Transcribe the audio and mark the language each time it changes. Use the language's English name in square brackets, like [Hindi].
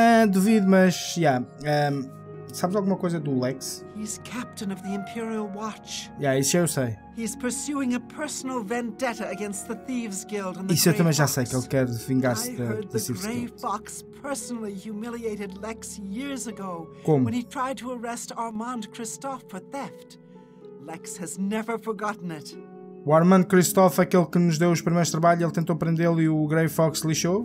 [Portuguese] Duvido, mas já. Sabes alguma coisa do Lex? [English] He's captain of the Imperial Watch. [Portuguese] Isso eu sei. [English] He's pursuing a personal vendetta against the Thieves Guild and the [Portuguese] Isso eu também já sei, que ele quer vingar-se da Thieves Guild. [English] I heard the Grey Fox personally humiliated Lex years ago. [Portuguese] Como? [English] When he tried to arrest Armand Christoph for theft. Lex has never forgotten it. [Portuguese] O Armand Christoph, aquele que nos deu os primeiros trabalhos, ele tentou prendê-lo e o Grey Fox lixou.